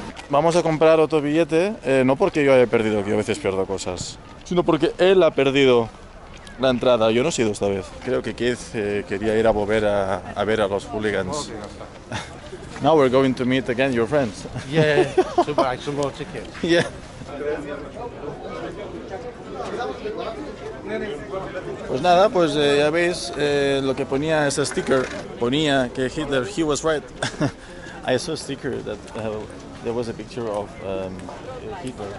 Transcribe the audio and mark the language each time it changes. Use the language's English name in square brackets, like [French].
[Spanish] Vamos a comprar otro billete, no porque yo haya perdido, que yo a veces pierdo cosas, sino porque él ha perdido la entrada. Yo no he sido esta vez. Creo que Keith quería ir a volver a ver a los hooligans. [English] Now we're going to meet again your friends. Yeah, to buy some more tickets. Yeah. [Spanish] Pues nada, pues ya veis lo que ponía ese sticker. Ponía que [English] Hitler, he was right. I saw a sticker that there was a picture of Hitler.